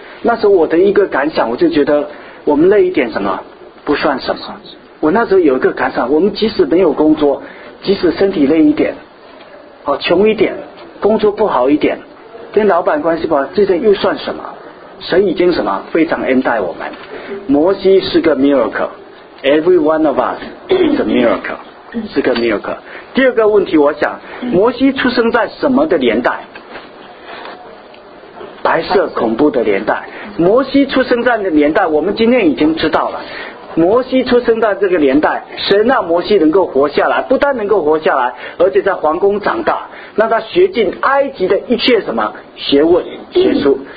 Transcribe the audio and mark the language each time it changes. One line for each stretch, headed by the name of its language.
Chinese: 那时候我的一个感想，我就觉得我们累一点什么不算什么。我那时候有一个感想，我们即使没有工作，即使身体累一点，好穷一点，工作不好一点，跟老板关系不好，这些又算什么？神已经什么非常恩待我们。摩西是个
English: miracle， every one of us is a miracle，
Chinese: 是个
English: miracle。
Chinese: 第二个问题，我想摩西出生在什么的年代？白色恐怖的年代。摩西出生在的年代，我们今天已经知道了，摩西出生在这个年代，神让摩西能够活下来，不但能够活下来，而且在皇宫长大，让他学尽埃及的一切什么学问学术。